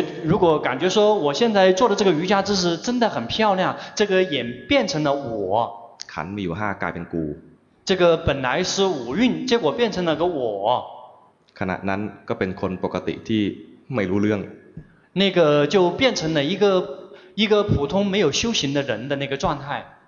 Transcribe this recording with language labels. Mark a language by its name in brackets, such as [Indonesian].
[Chinese] 如果感觉说我现在做的这个瑜伽姿势真的很漂亮这个也变成了我 [Thai] ขันมีอยู่ห้ากลายเป็นกู [Chinese] 这个本来是五蕴结果变成了个我 [Thai] ขณะนั้นก็เป็นคนปกติที่ไม่รู้เรื่อง [Chinese] 那个就变成了一个普通没有修行的人的那个状态